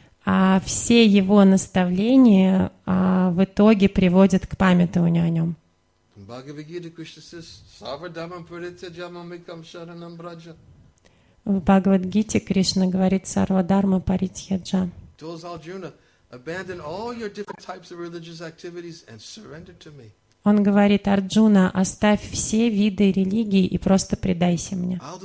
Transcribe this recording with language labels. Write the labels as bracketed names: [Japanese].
[Russian] А все его наставления в итоге приводят к памятованию о нем. [English] In Bhagavad Gita, Krishna says, [Sanskrit] "Savadhamam puritya jamam ikam sharanam braja." [Russian] В Бхагавад Гите Кришна говорит: [Sanskrit] "Сарвадарма паритья джам." [English] Tells Arjuna, "Abandon all your different types of religious activities and surrender to me." [Russian] Он говорит: «Арджуна, оставь все виды религии и просто предайся мне.